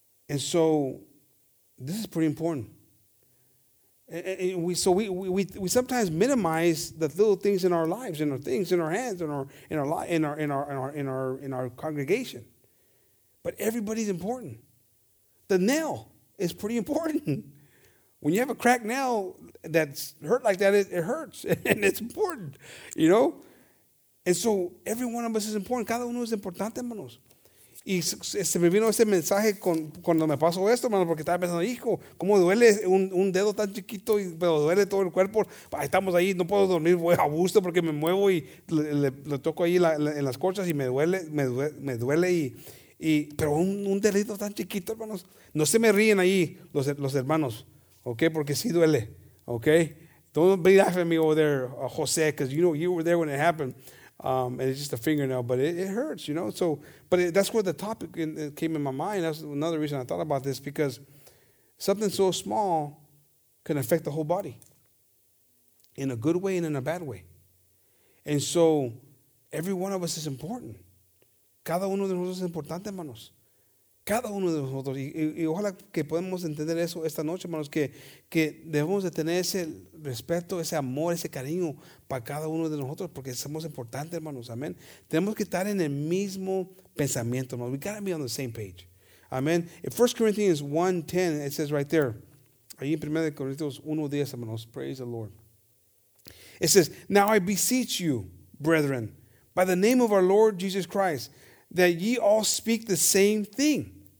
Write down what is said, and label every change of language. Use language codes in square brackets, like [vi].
[en] And so, this is pretty important. We sometimes minimize the little things in our lives, in our things, in our hands, in our congregation. But everybody's important. The nail is pretty important. When you have a cracked nail that's hurt like that, it hurts, and it's important, you know. And so, every one of us is important. [es] Cada uno es importante, hermanos. Y se me vino ese mensaje cuando me pasó esto, hermano, porque estaba pensando, hijo, cómo duele un dedo tan chiquito, pero duele todo el cuerpo. Estamos ahí, no puedo dormir, voy a gusto porque me muevo y le toco ahí en las corchas y me duele. Pero un dedito tan chiquito, hermanos, no se me ríen ahí los hermanos, ¿ok? Porque sí duele, ¿ok? [en] Don't be laughing at me over there, José, because you know you were there when it happened. And it's just a fingernail, but it hurts, you know. But that's where the topic came in my mind. That's another reason I thought about this, because something so small can affect the whole body in a good way and in a bad way. And so every one of us is important. [es] Cada uno de nosotros es importante, hermanos. Cada uno de nosotros. Y ojalá que podamos entender eso esta noche, hermanos, que debemos de tener ese respeto, ese amor, ese cariño para cada uno de nosotros, porque somos importantes, hermanos. Amén. Tenemos que estar en el mismo pensamiento, hermanos. [en] We got to be on the same page. Amén. In 1 Corinthians 1:10, it says right there, [es] ahí en 1 Corinthians 1:10, hermanos, [en] praise the Lord. It says, "Now I beseech you, brethren, by the name of our Lord Jesus Christ, that ye all speak the same thing.